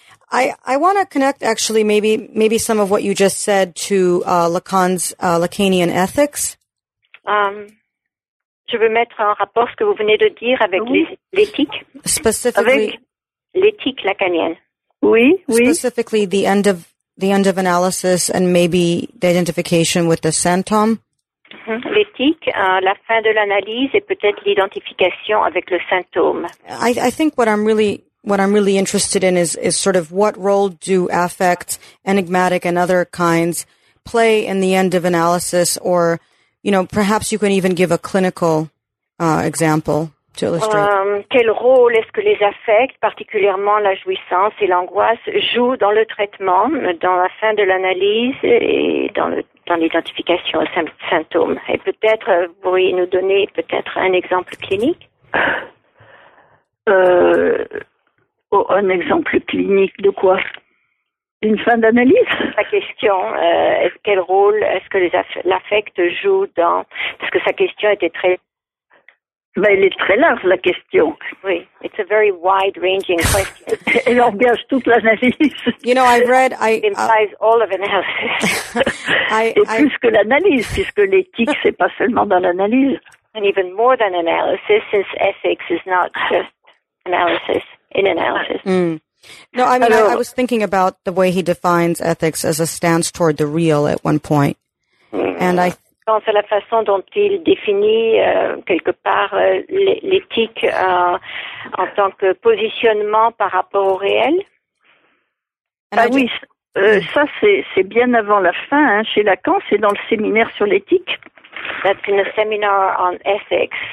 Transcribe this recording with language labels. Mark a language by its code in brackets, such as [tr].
[en] I want to connect actually maybe some of what you just said to Lacan's Lacanian ethics. [fr] Je veux mettre en rapport ce que vous venez de dire avec l'éthique. [en] Specifically. [fr] Avec l'éthique lacanienne. Oui. [en] Specifically, the end of analysis and maybe the identification with the symptom. [fr] L'éthique, la fin de l'analyse et peut-être l'identification avec le symptôme. [en] I think what I'm really interested in is sort of what role do affects, enigmatic and other kinds, play in the end of analysis, or, you know, perhaps you can even give a clinical example to illustrate. [fr] Quel rôle est-ce que les affects, particulièrement la jouissance et l'angoisse, jouent dans le traitement, dans la fin de l'analyse et dans l'identification aux symptômes? Et peut-être, vous pourriez nous donner peut-être un exemple clinique? Un exemple clinique de quoi? Une fin d'analyse? La question, quel rôle est-ce que l'affect joue dans... Parce que sa question était très... Ben, elle est très large, la question. [en] Oui, it's a very wide-ranging question. [fr] Elle engage toute l'analyse. [en] You know, I've read... It implies all of analysis. [fr] Que l'analyse, puisque l'éthique, c'est pas seulement dans l'analyse. [en] And even more than analysis, since ethics is not just analysis, in analysis. No, I mean, I was thinking about the way he defines ethics as a stance toward the real at one point. And I think [fr] c'est la façon dont il définit quelque part l'éthique en tant que positionnement par rapport au réel. Ça c'est bien avant la fin hein, chez Lacan, c'est dans le séminaire sur l'éthique. [en] That's in a seminar on ethics.